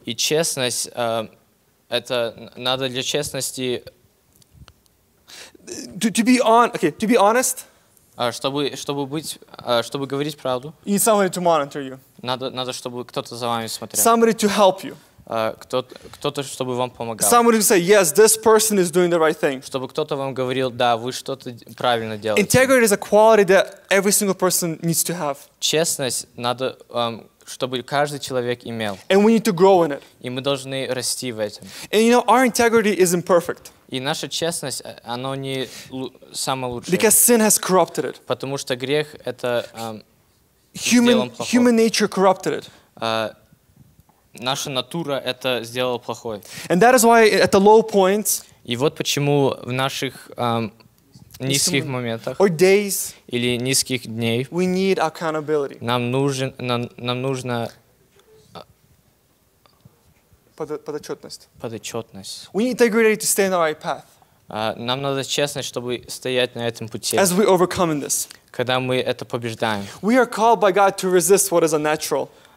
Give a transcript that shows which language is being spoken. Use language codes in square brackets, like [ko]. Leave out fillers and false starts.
[ru] И честность это надо для честности. [en] To be honest. [ru] Чтобы говорить правду. [en] You need somebody to monitor you. [ru] Надо чтобы кто-то за вами смотрел. [en] Somebody to help you. [ru] Кто-то, чтобы вам помогал. [en] Somebody say, yes, this person is doing the right thing. [ru] Чтобы кто-то вам говорил, да, вы что-то правильно делаете. [en] Integrity is a quality that every single person needs to have. [ru] Честность надо, чтобы каждый человек имел. [en] And we need to grow in it. [ru] И мы должны расти в этом. [en] And you know, our integrity is imperfect. [ru] И наша честность, она не самая лучшая. [en] Because sin has corrupted it. [ru] Потому что грех это [en] human nature corrupted it. [ru] Наша натура это сделала плохой. [en] And that is why at the low points. [ru] И вот почему в наших низких моментах [en] or days, [ru] или низких дней [en] we need accountability. [ru] Нам нужна подотчетность. Подотчетность. [en] We need integrity to stay on the right path. [ru] Нам надо честность, чтобы стоять на этом пути. [en] As we overcome in this. [ru] Когда мы это побеждаем. [en] We are called by God to resist what is unnatural.